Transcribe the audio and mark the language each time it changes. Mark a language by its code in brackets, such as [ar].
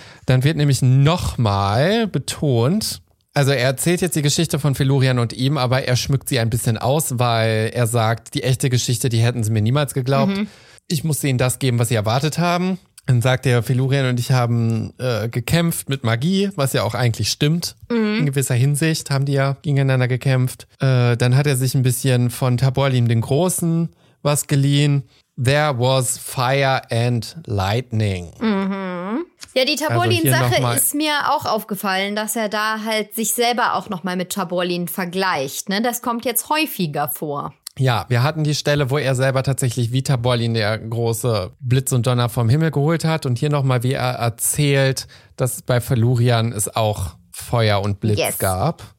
[de] Dann wird nämlich nochmal betont. Also er erzählt jetzt die Geschichte von Felurian und ihm, aber er schmückt sie ein bisschen aus, weil er sagt, die echte Geschichte, die hätten sie mir niemals geglaubt. Mhm. Ich musste ihnen das geben, was sie erwartet haben. Dann sagt er, Felurian und ich haben gekämpft mit Magie, was ja auch eigentlich stimmt. Mhm. In gewisser Hinsicht haben die ja gegeneinander gekämpft. Dann hat er sich ein bisschen von Taborlim den Großen was geliehen. [en] There was fire and lightning. [de] Mhm. Ja, die Taborlin-Sache ist mir auch aufgefallen, dass er da halt sich selber auch nochmal mit Taborlin vergleicht. Ne? Das kommt jetzt häufiger vor. Ja, wir hatten die Stelle, wo er selber tatsächlich wie Taborlin der große Blitz und Donner vom Himmel geholt hat. Und hier nochmal, wie er erzählt, dass es bei Felurian es auch Feuer und Blitz gab.